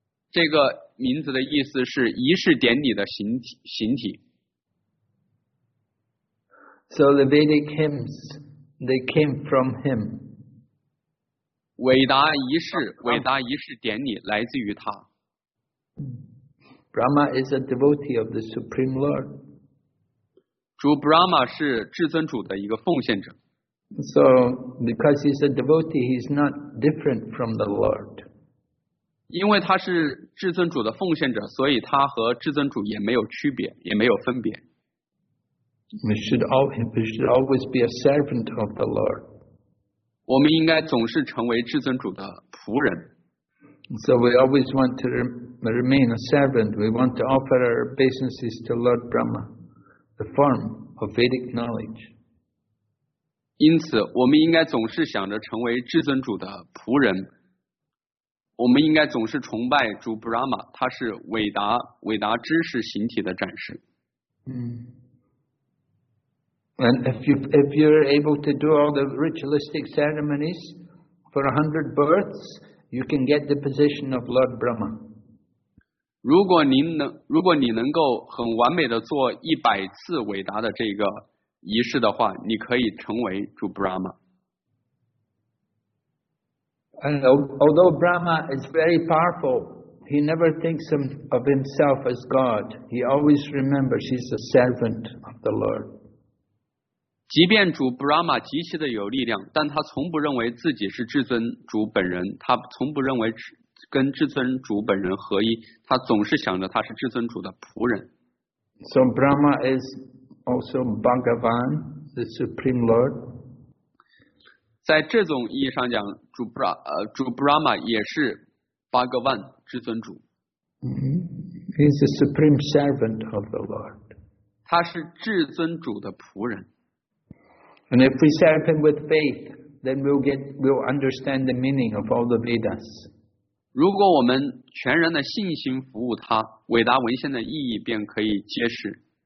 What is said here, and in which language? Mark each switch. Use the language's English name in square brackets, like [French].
[Chinese] 这个名字的意思是仪式典礼的形体。 [English] So the Vedic hymns, they came from him. [Chinese] 伟达仪式典礼来自于他。 [English] Brahma is a devotee of the Supreme Lord. [Chinese] 主 Brahma 是至尊主的一个奉献者。 [English] So, because he's a devotee, he's not different from the Lord. [Chinese] 因为他是至尊主的奉献者，所以他和至尊主也没有区别，也没有分别。 [English] We should always be a servant of the Lord. [Chinese] 我们应该总是成为至尊主的仆人。 [English] So we always want to remain a servant. We want to offer our obeisances to Lord Brahma, the form of Vedic knowledge. [Chinese] 因此，我们应该总是想着成为至尊主的仆人。我们应该总是崇拜主 Brahma， 他是伟达知识形体的展示。 [English] And if you're able to do all the ritualistic ceremonies for 100 births, you can get the position of Lord Brahma. [Chinese] 如果你能够很完美的做100次伟达的这个仪式的话，你可以成为主 Brahma. [English] And although Brahma is very powerful, he never thinks of himself as God. He always remembers he's a servant of the Lord. [Chinese] 即便主 Brahma 极其的有力量，但他从不认为自己是至尊主本人，他从不认为跟至尊主本人合一，他总是想着他是至尊主的仆人。 [English] So Brahma is also Bhagavan, the Supreme Lord. [Chinese] 在这种意义上讲，主 Brahma 也是 Bhagavan, 至尊主。 [English] He's the Supreme Servant of the Lord. [Chinese] 他是至尊主的仆人。 [English] And if we serve him with faith, then we'll understand the meaning of all the Vedas. [Chinese] 如果我们全然的信心服务他，伟达文献的意义便可以揭示。